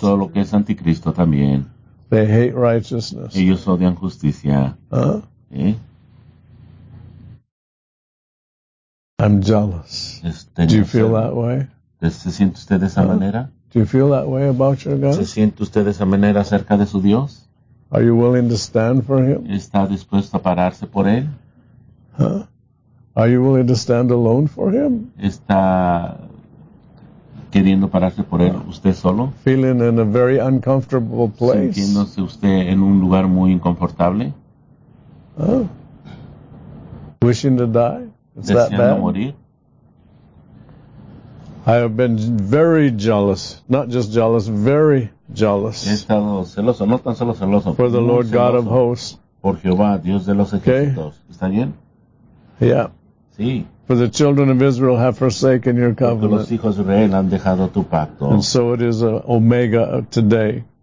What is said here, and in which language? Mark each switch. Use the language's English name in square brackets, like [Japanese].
[Spanish] Todo lo que es anticristo también. [English] They hate righteousness. [Spanish] Ellos odian justicia. [English] I'm jealous. Do you feel that way? [Spanish] ¿Se siente usted de esa manera? [English] Do you feel that way about your God? [Spanish] ¿Se siente usted de esa manera acerca de su Dios? [English] Are you willing to stand for him? [Spanish] ¿Está dispuesto a pararse por él? Huh? [English] Are you willing to stand alone for him? [Spanish] ¿Está queriendo pararse por él usted solo? [English] Feeling in a very uncomfortable place. [Spanish] ¿Sintiéndose usted en un lugar muy incomfortable? [English] Huh? Wishing to die? Is that bad? [Spanish] ¿Deseando morir? [English] I have been very jealous, not just jealous, very jealous. [Spanish] He estado celoso, no tan solo celoso. [English] For the Lord God of hosts. [Spanish] Por Jehová, Dios de los ejércitos. [English] Okay. [Spanish] ¿Está bien? [English] Yeah. [Spanish] Sí. [English] For the children of Israel have forsaken your covenant. [Spanish] Porque los hijos de Israel han dejado tu pacto. [English] And so it is a omega of today.